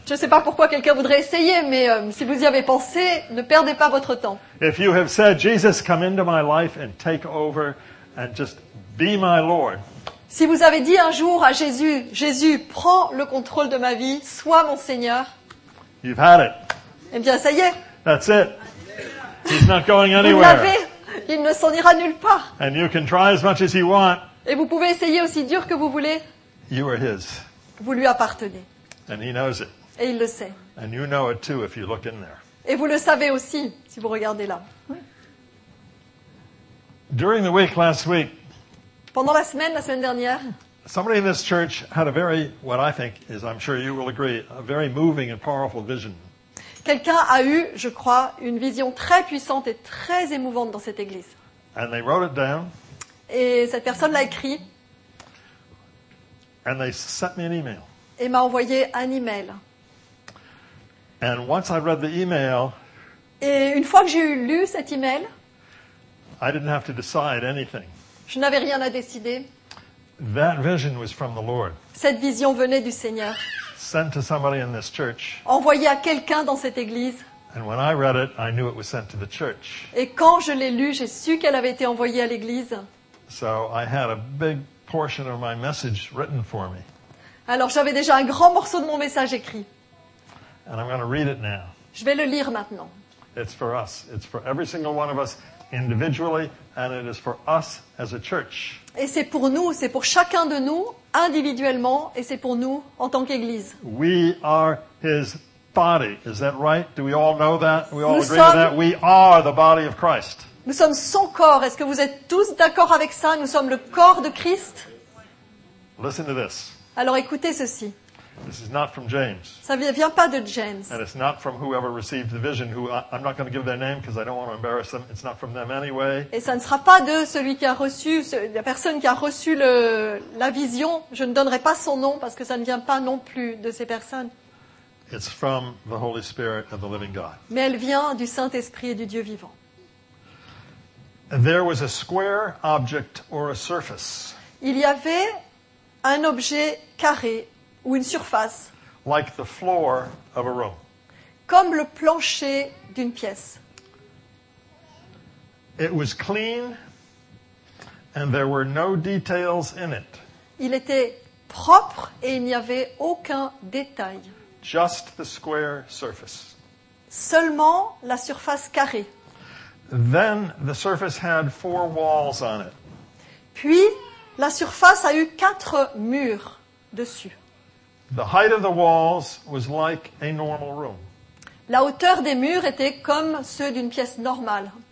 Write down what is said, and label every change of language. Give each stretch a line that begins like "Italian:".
French: Je ne sais pas pourquoi quelqu'un voudrait essayer, mais si vous y avez pensé, ne perdez pas votre temps.
English: If you have said, Jesus, come into my life and take over and just be my Lord.
French: Si vous avez dit un jour à Jésus, Jésus, prends le contrôle de ma vie, sois mon Seigneur.
English: You've had it.
French: Eh bien, ça y est.
English: That's it. He's not going anywhere.
French: Vous l'avez. Il ne s'en ira nulle part.
English: And you can try as much as you want.
French: Et vous pouvez essayer aussi dur que vous voulez.
English: You are his.
French: Vous lui appartenez.
English: And he knows it.
French: Et il le sait.
English: And you know it too if you look in there.
French: Et vous le savez aussi si vous regardez là.
English: During the week last week,
French: pendant la semaine dernière,
English: somebody in this church had a very, what I think is, I'm sure you will agree, a very moving and powerful vision.
French: Quelqu'un a eu, je crois, une vision très puissante et très émouvante dans cette église.
English: And they wrote it down.
French: Et cette personne l'a écrit.
English: And they sent me an email.
French: Et m'a envoyé un email.
English: And once I read the email,
French: et une fois que j'ai lu cet email,
English: I didn't have to decide anything.
French: Je n'avais rien à décider.
English: That vision was from the Lord.
French: Cette vision venait du Seigneur.
English: Sent to somebody in this church.
French: Envoyé à quelqu'un dans cette église.
English: And when I read it, I knew it was sent to the church.
French: Et quand je l'ai lu, j'ai su qu'elle avait été envoyée à l'église.
English: So I had a big portion of my message written for me.
French: Alors j'avais déjà un grand morceau de mon message écrit.
English: And I'm going to read it now.
French: Je vais le lire maintenant.
English: It's for us. It's for every single one of us individually, and it is for us as a church.
French: Et c'est pour nous, c'est pour chacun de nous, individuellement, et c'est pour nous, en tant qu'Église.
English: We are his body. Is that right? Do we all know that? We all agree with that? We are the body of Christ.
French: Nous sommes son corps. Est-ce que vous êtes tous d'accord avec ça? Nous sommes le corps de Christ.
English: Listen to this.
French: Alors écoutez ceci.
English: This is not from James.
French: Ça ne vient pas de James.
English: And it's not from whoever received the vision. I'm not going to give their name because I don't want to embarrass them. It's not from them anyway.
French: Et ça ne sera pas de celui qui a reçu, la personne qui a reçu la vision. Je ne donnerai pas son nom parce que ça ne vient pas non plus de ces personnes.
English: It's from the Holy Spirit of the living God.
French: Mais elle vient du Saint-Esprit et du Dieu vivant.
English: There was a square object or a surface.
French: Il y avait un objet carré ou une surface,
English: like the floor of a room,
French: comme le plancher d'une pièce.
English: It was clean, and there were no details in it.
French: Il était propre et il n'y avait aucun détail.
English: Just the square surface.
French: Seulement la surface carrée.
English: Then the surface had four walls on it.
French: Puis la surface a eu quatre murs dessus.
English: The height of the walls was like a normal room.
French: La hauteur des murs était comme ceux d'une pièce normale.